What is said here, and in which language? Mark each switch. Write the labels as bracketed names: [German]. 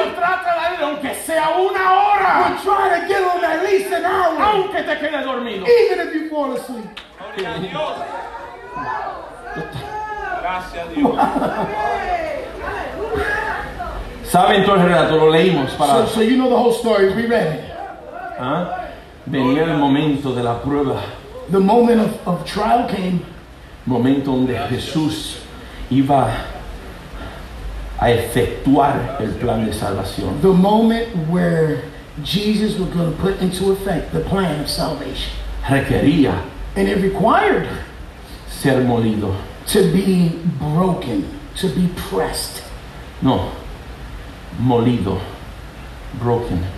[Spanish] Pues trata de darle aunque sea una hora. [English] But try to give them at least an hour. [Spanish] Aunque te quede dormido. [English] Even if you fall asleep. [Spanish] Gloria a Dios. Gracias a Dios. Saben todo el relato, lo leímos para. [English] So you know the whole story. We read it. [Spanish] ¿Ah? Venía el momento de la prueba. [English] The moment of trial came. [Spanish] Momento donde Jesús iba a efectuar el plan de salvación. [English] The moment where Jesus was going to put into effect the plan of salvation. [Spanish] Requería, [English] and it required, [Spanish] ser molido, [English] to be broken, to be pressed. [Spanish] No, molido, broken,